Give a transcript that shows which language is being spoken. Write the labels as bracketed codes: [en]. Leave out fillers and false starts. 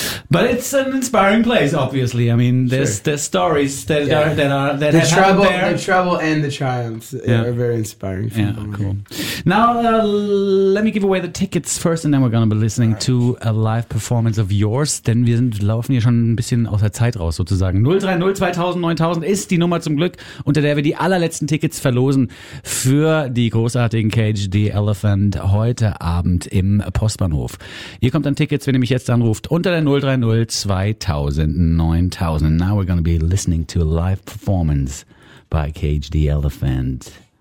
[en] But it's an inspiring place, obviously. I mean, there's there's stories that the trouble and the triumphs are very inspiring. Yeah, cool. Now, let me give away the tickets first, and then we're going to be listening to a live performance of yours. [de] Denn wir laufen hier schon ein bisschen aus der Zeit raus, sozusagen. 030 2000 9000 ist die Nummer zum Glück, unter der wir die allerletzten Tickets verlosen für die großartigen Cage the Elephant heute Abend im Postbahnhof. Ihr kommt dann Tickets, wenn ihr mich jetzt anruft, unter der 030 2000 9000. [en] Now we're going to be listening to a live performance by Cage the Elephant.